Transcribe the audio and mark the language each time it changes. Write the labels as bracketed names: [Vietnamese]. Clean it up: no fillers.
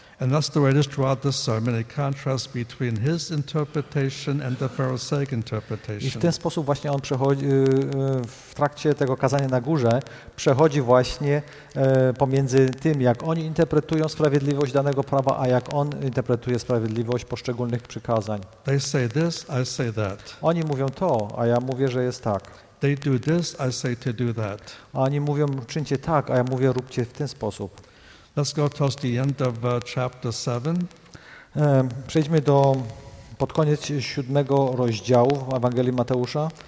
[English] And that's the way it is throughout the sermon, a contrast between his interpretation and the Pharisaic interpretation. [Polish] I w ten sposób właśnie on przechodzi, w trakcie tego kazania na górze, przechodzi właśnie pomiędzy tym, jak oni interpretują sprawiedliwość danego prawa, a jak on interpretuje sprawiedliwość poszczególnych przykazań. [English] They say this, I say that. [Polish] Oni mówią to, a ja mówię, że jest tak. [English] They do this, I say to do that. [Polish] A oni mówią, czyńcie tak, a ja mówię, róbcie w ten sposób. [English] Let's go towards the end of chapter 7. [Polish] Przejdźmy do pod koniec 7 rozdziału Ewangelii Mateusza.